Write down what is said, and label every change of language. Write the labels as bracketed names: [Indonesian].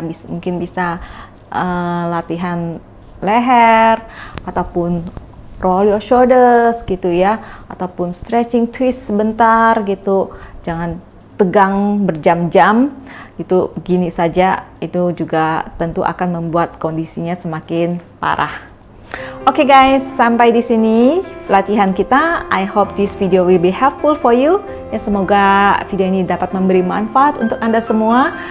[Indonesian] Mungkin bisa latihan leher ataupun [English] roll your shoulders [Indonesian] gitu ya, ataupun stretching twist sebentar gitu. Jangan tegang berjam-jam itu begini saja, itu juga tentu akan membuat kondisinya semakin parah. Okay guys, sampai di sini latihan kita. [English] I hope this video will be helpful for you. [Indonesian] Ya, semoga video ini dapat memberi manfaat untuk Anda semua.